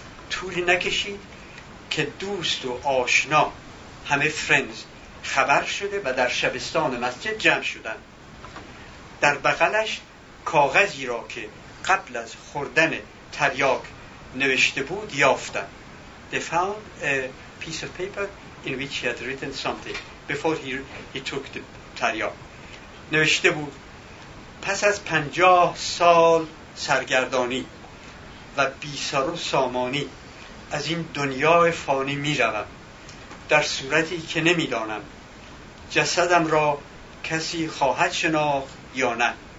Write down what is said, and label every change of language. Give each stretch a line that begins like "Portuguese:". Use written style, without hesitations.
Persian: طول نکشید که دوست و آشنا همه friends خبر شده و در شبستان مسجد جمع شدن. در بغلش کاغذی را که قبل از خوردن تریاک نوشته بود یافتند.
English: they found a piece of paper in which he had written something before he took the تریاق.
Persian: نوشته بود پس از 50 سال سرگردانی و بی سر و سامانی از این دنیای فانی می روم، در صورتی که نمی دانم جسدم را کسی خواهد شناخت یا نه.